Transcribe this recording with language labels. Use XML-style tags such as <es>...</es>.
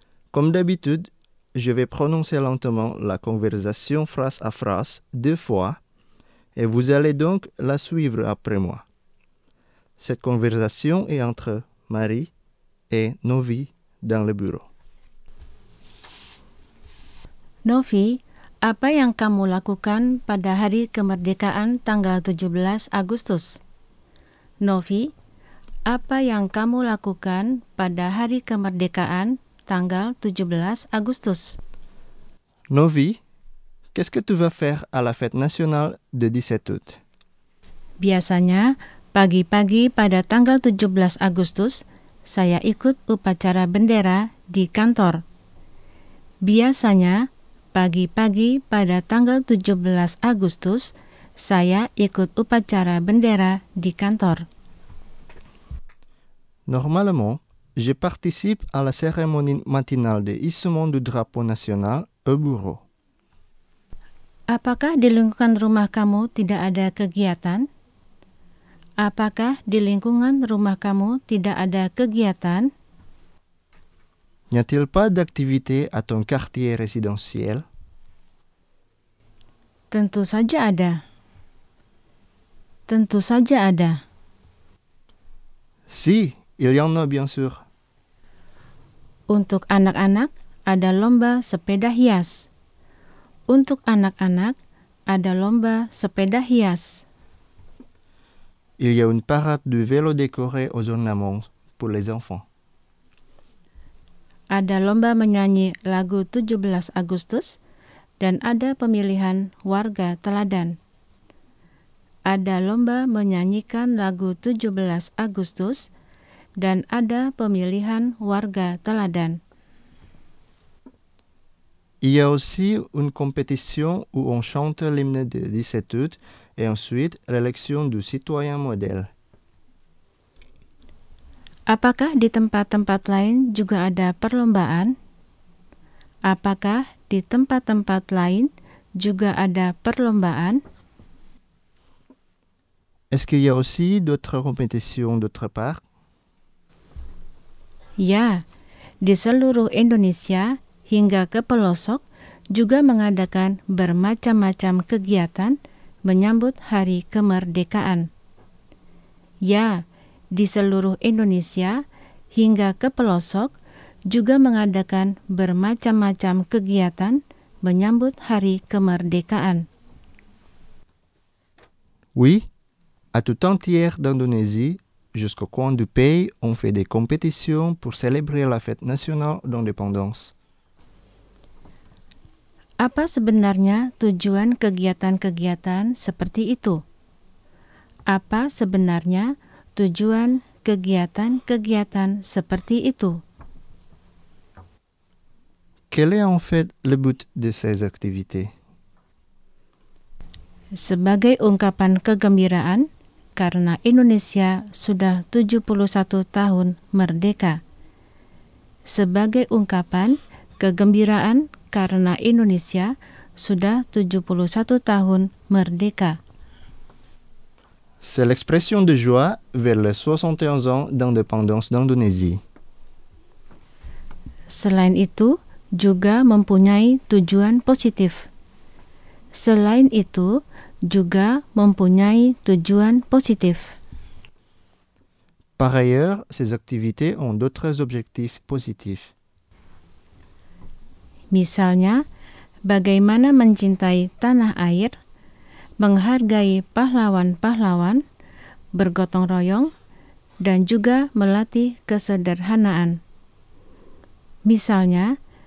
<fr>Comme d'habitude, je vais prononcer lentement la conversation phrase à phrase deux fois, et vous allez donc la suivre après moi. Cette conversation est entre Marie et Novi dans le bureau.</fr> <id>Novi, apa yang kamu lakukan pada hari kemerdekaan tanggal 17 Agustus? Novi, apa yang kamu lakukan pada hari kemerdekaan tanggal 17 Agustus?</id> <fr>Novi, qu'est-ce que tu vas faire à la fête nationale de 17 août?</fr> <id>Biasanya, pagi-pagi pada tanggal 17 Agustus, saya ikut upacara bendera di kantor. Biasanya, pagi-pagi pada tanggal 17 Agustus, saya ikut upacara bendera di kantor.</id> <fr>Normalement, je participe à la cérémonie matinale de hissement du drapeau national au bureau.</fr> <id>Apakah di lingkungan rumah kamu tidak ada kegiatan? Apakah di lingkungan rumah kamu tidak ada kegiatan?</id> <fr>N'y a-t-il pas d'activité à ton quartier résidentiel?</fr> <id>Tentu saja ada. Tentu saja ada.</id> <fr>Si, il y en a bien sûr.</fr> <id>Untuk anak-anak, ada lomba sepeda hias. Untuk anak-anak, ada lomba sepeda hias.</id> <fr>Il y a une parade de vélo décoré aux ornements pour les enfants.</fr> <id>Ada lomba menyanyi lagu 17 Agustus. Dan ada pemilihan warga teladan. Ada lomba menyanyikan lagu 17 Agustus dan ada pemilihan warga teladan.</id> <fr>Il y a aussi une compétition où on chante l'hymne de 17 août et ensuite l'élection du citoyen modèle.</fr> <id>Apakah di tempat-tempat lain juga ada perlombaan? Apakah di tempat-tempat lain juga ada perlombaan?</id> <fr>Est-ce qu'il y a aussi d'autres compétitions d'autre part?</fr> <id>Ya, di seluruh Indonesia hingga ke pelosok juga mengadakan bermacam-macam kegiatan menyambut Hari Kemerdekaan. Ya, di seluruh Indonesia hingga ke pelosok juga mengadakan bermacam-macam kegiatan menyambut Hari Kemerdekaan.</id> <fr>Oui, à tout entier d'Indonésie, jusqu'au coin du pays, on fait des compétitions pour célébrer la fête nationale d'indépendance.</fr> <id>Apa sebenarnya tujuan kegiatan-kegiatan seperti itu? Apa sebenarnya tujuan kegiatan-kegiatan seperti itu?</id> <fr>Quel est en fait le but de ces activités?</fr> <id>Sebagai ungkapan kegembiraan karena Indonesia sudah 71 tahun merdeka. Sebagai ungkapan kegembiraan karena Indonesia sudah 71 tahun merdeka.</id> <fr>C'est l'expression de joie vers les 71 ans d'indépendance d'Indonésie.</fr> <id>Selain itu, juga mempunyai tujuan positif. Selain itu, juga mempunyai tujuan positif.</id> <fr>Par ailleurs, ces activités ont d'autres objectifs positifs.</fr> <id>Misalnya, bagaimana mencintai tanah air, menghargai pahlawan-pahlawan, bergotong royong, dan juga melatih kesederhanaan. Misalnya,</id>